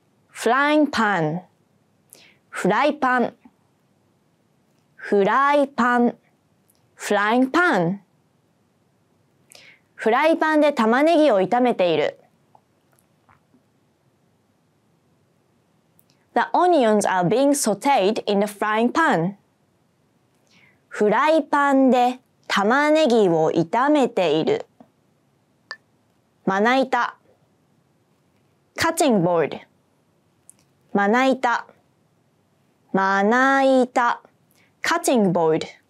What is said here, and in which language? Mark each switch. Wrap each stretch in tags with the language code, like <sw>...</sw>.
<ja>フライパン、フライパン、フライパン、フライパン。フライパンで玉ねぎを炒めている。</ja> <en>The onions are being sautéed in the frying pan.</en> <ja>フライパンで玉ねぎを炒めている。まな板。</ja> <en>Cutting board.</en> <ja>まな板。まな板。</ja> <en>Cutting board.</en>